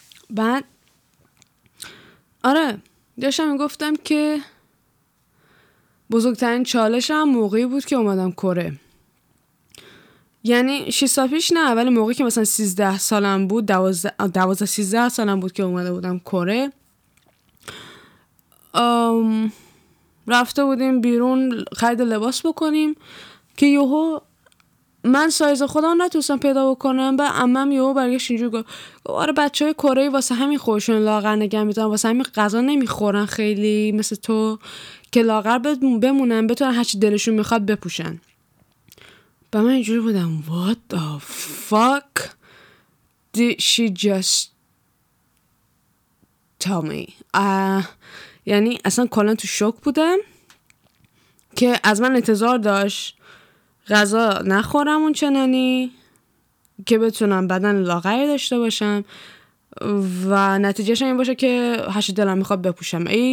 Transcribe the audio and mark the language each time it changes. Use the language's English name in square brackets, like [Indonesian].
[Persian] بعد آره داشتم گفتم که بزرگترین چالشم موقعی بود که اومدم کره، یعنی 6 سال پیش نه، ولی موقعی که مثلا 13 سالم بود، 13 سالم بود که اومده بودم کره، رفته بودیم بیرون خرید لباس بکنیم که یهو من سایز خودم نتونستم پیدا بکنم. و عمم یهو برگشت اینجور گفت آره بچه های کره واسه همین خوششون لاغر نگه میدونم، واسه همین غذا نمیخورن خیلی مثل تو که لاغر بمونن بتونن هرچی دلشون میخواد بپوشن. با من اینجوری بودم [English] What the fuck did she just tell me. [Persian] یعنی اصلا کلا تو شوک بودم که از من انتظار داشت غذا نخورم اون چنانی که بتونم بدن لاغری داشته باشم و نتیجهش این باشه که هرچی دلم میخواد بپوشم.